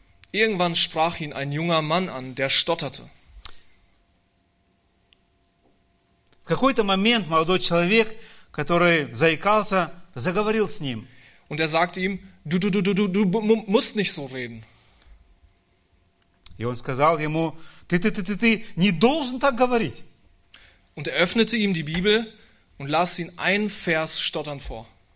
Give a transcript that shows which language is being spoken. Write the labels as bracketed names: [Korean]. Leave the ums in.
[German] Irgendwann sprach ihn ein junger Mann an, der stotterte. [Russian] В какой-то момент молодой человек, который заикался, заговорил с ним. [German] Und er sagte ihm, du, du, du, du, du, du musst nicht so reden. [Russian] И он сказал ему, ты, ты, ты, ты, ты не должен так говорить. [German] Und er öffnete ihm die Bibel und las ihn einen Vers stottern vor.